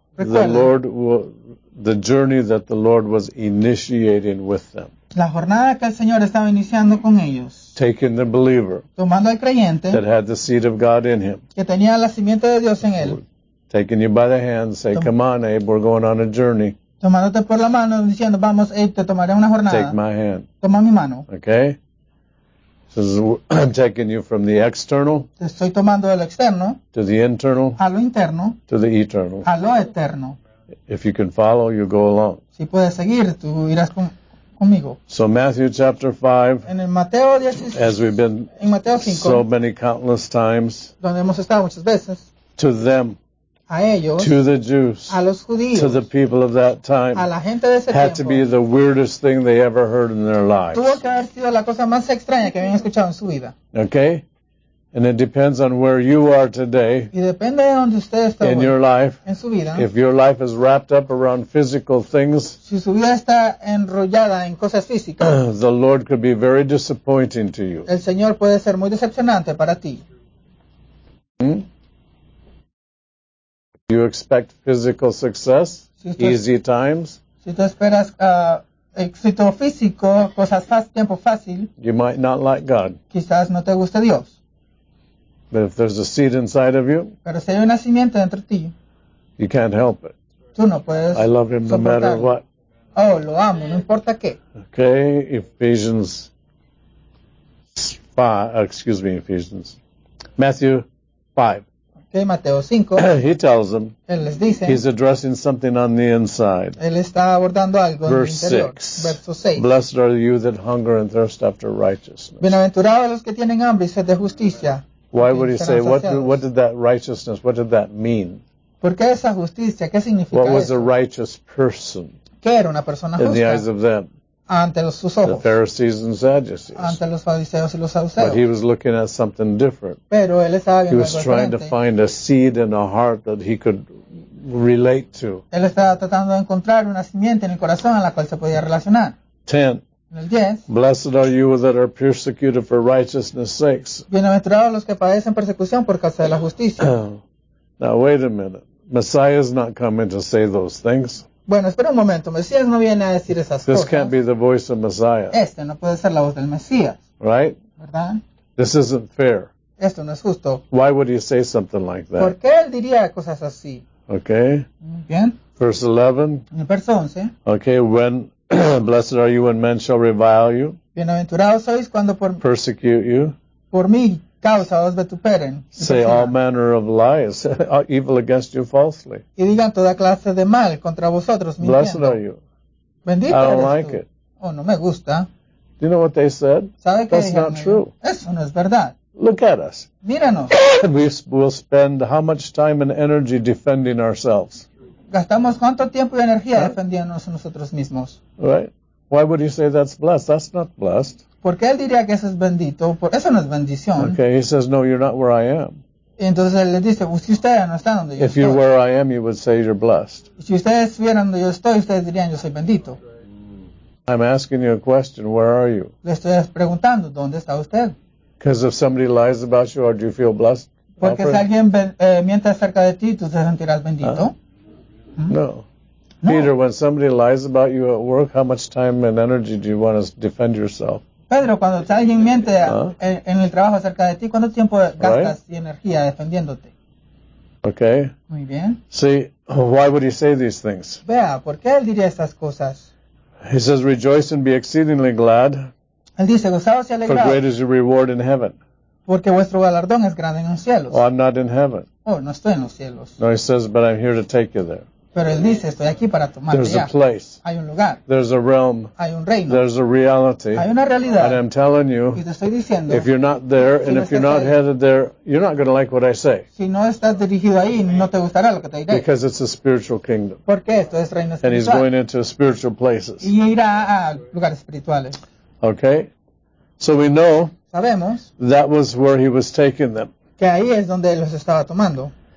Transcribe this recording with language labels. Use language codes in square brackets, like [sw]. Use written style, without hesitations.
[en] The journey that the Lord was initiating with them. [es] La jornada que el Señor estaba iniciando con ellos. [en] Taking the believer. [es] Tomando al creyente. [en] That had the seed of God in him. [es] Que tenía la simiente de Dios en él. [en] Taking you by the hand, say, come on, Abe, we're going on a journey. [es] Tomándote por la mano, diciendo, vamos, Abe, te tomaré una jornada. [en] Take my hand. [es] Toma mi mano. [en] Okay. So I'm taking you from the external. [es] Te estoy tomando del externo. [en] To the internal. [es] A lo interno. [en] To the eternal. [es] A lo eterno. [en] If you can follow, you go along. [es] Si puedes seguir, tú irás conmigo. [en] So Matthew chapter 5. [es] En el Mateo 16. [en] As we've been [es] en Mateo 5, [en] so many countless times. [es] Donde hemos estado muchas veces. [en] To them. [es] A ellos. [en] To the Jews. [es] A los judíos. [en] To the people of that time. [es] A la gente de ese tiempo. [en] Had to be the weirdest thing they ever heard in their lives. [es] Tuvo que haber sido la cosa más extraña que habían escuchado en su vida. [en] Okay. And it depends on where you are today [es] y depende de donde usted está [en] in your life. [es] En su vida. [en] If your life is wrapped up around physical things, [es] si su vida está enrollada en cosas físicas, [en] the Lord could be very disappointing to you. [es] El Señor puede ser muy decepcionante para ti. Hmm? [en] You expect physical success, [es] si usted, [en] easy times. [es] Si tú esperas éxito físico, cosas fácil, tiempo fácil, [en] you might not like God. [es] Quizás no te guste Dios. [en] But if there's a seed inside of you, [es] pero si hay una simiente dentro de ti, [en] you can't help it. [es] Tú no puedes. [en] I love him [es] soportar. [en] No matter what. [es] Oh, lo amo, no importa qué. [en] Okay, Ephesians 5, excuse me, Ephesians. Matthew 5. [es] Okay, Mateo 5. [en] He tells them. [es] Él les dice. [en] He's addressing something on the inside. [es] Él está abordando algo [en] verse [es] en el interior. [en] Six. [es] Verso 6. [en] Blessed are you that hunger and thirst after righteousness. [es] Bienaventurados los que tienen hambre y sed de justicia. [en] Why would he say, what did that righteousness, what did that mean? [es] ¿Por qué esa justicia? ¿Qué significa [en] what was [es] eso? [en] A righteous person [es] ¿qué era una persona justa? [en] In the eyes of them? [es] Ante los, sus ojos. [en] The Pharisees and Sadducees. [es] Ante los fariseos y los saduceos. [en] But he was looking at something different. [es] Pero él estaba viendo [en] he was trying [es] diferente. [en] To find a seed in a heart that he could relate to. [es] Él estaba tratando de encontrar una simiente en el corazón a la cual se podía relacionar. [en] 10. Blessed are you that are persecuted for righteousness' sake. [es] Bienaventurados los que padecen persecución por causa de la justicia. [en] Now wait a minute. Messiah is not coming to say those things. [es] Bueno, espera un momento. Mesías no viene a decir esas cosas. [en] This can't be the voice of Messiah. [es] Este no puede ser la voz del Mesías. [en] Right? [es] ¿Verdad? [en] This isn't fair. [es] Esto no es justo. [en] Why would he say something like that? [es] ¿Por qué él diría cosas así? [en] Okay. [es] Bien. [en] Verse 11. [es] En el verso 11. [en] Okay, when blessed are you when men shall revile you. [es] Bienaventurados sois cuando por [en] persecute you. [es] Por mi causa os vituperen. [en] Say all manner of lies, evil against you falsely. [es] Y digan toda clase de mal contra vosotros mintiendo. [en] Blessed are you. [es] Bendito [en] I don't like it. [es] Oh, no me gusta. [en] Do you know what they said? [es] ¿Sabe qué dijeron? [en] That's not true. [es] Eso no es verdad. [en] Look at us. [es] Míranos. [en] We will spend how much time and energy defending ourselves. [es] Gastamos cuánto tiempo y energía defendiéndonos nosotros mismos. [en] Right. Why would you say that's blessed? That's not blessed. [es] ¿Por qué él diría que eso es bendito? Eso no es bendición. [en] Okay, he says, no, you're not where I am. [es] Entonces él le dice, si usted no está donde yo estoy. [en] If you're where I am, you would say you're blessed. [es] Si ustedes estuvieran donde yo estoy, ustedes dirían, yo soy bendito. [en] I'm asking you a question, where are you? [es] Le estoy preguntando, ¿dónde está usted? [en] Because if somebody lies about you, or do you feel blessed? [es] Porque si alguien miente acerca de ti, ¿tú te sentirás bendito? [en] No. Peter, when somebody lies about you at work, how much time and energy do you want to defend yourself? [es] Pedro, cuando alguien miente en el trabajo acerca de ti, ¿cuánto tiempo gastas y energía defendiéndote? [en] Okay. [es] Muy bien. [en] See, why would he say these things? [es] Vea, ¿por qué él diría estas cosas? [en] He says, rejoice and be exceedingly glad. [es] Él dice, gozaos y alegraos. [en] For great is your reward in heaven. [es] Porque vuestro galardón es grande en los cielos. [en] Oh, I'm not in heaven. [es] Oh, no estoy en los cielos. [en] No, he says, but I'm here to take you there. [es] Pero él dice, estoy aquí para tomarte [en] there's [es] ya. [en] A place. [es] Hay un lugar. [en] There's a realm. [es] Hay un reino. [en] There's a reality. [es] Hay una realidad. [en] And I'm telling you, [es] y te estoy diciendo, [en] if you're not there, si and if you're not headed there, you're not going to like what I say. [es] Si no estás dirigido ahí, no te gustará lo que te diré. [en] Because it's a spiritual kingdom. [es] Porque esto es reino espiritual. [en] And he's going into spiritual places. [es] Y irá a lugares espirituales. [en] Okay. So we know [es] sabemos [en] that was where he was taking them. [es] Que ahí es donde él los estaba tomando.